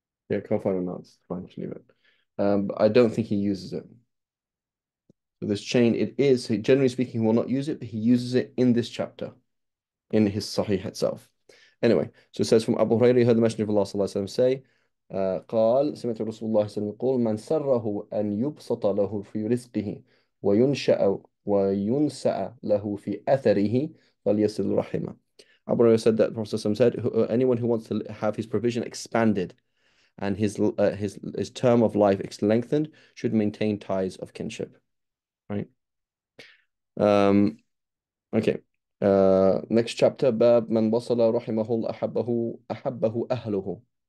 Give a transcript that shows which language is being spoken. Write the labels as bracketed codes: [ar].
[en] Yeah, can't find an answer. Fine, just leave it. But I don't think he uses it. So this chain, it is, generally speaking, he will not use it, but he uses it in this chapter, in his Sahih itself. Anyway, so it says from Abu Hurairah, he heard the Messenger of Allah [ar] صلى الله عليه وسلم [en] say, [ar] قال سمعت رسول الله صلى الله عليه وسلم يقول من سره أن يبسط له في رزقه وينشأ وينسأ له في أثره فليصل رحمه. [en] Abu Hurairah said that the Prophet [ar] صلى الله عليه وسلم [en] said, anyone who wants to have his provision expanded and his term of life lengthened should maintain ties of kinship, right? Next chapter, bab man wasala rahimahu ahabbahu ahluhu.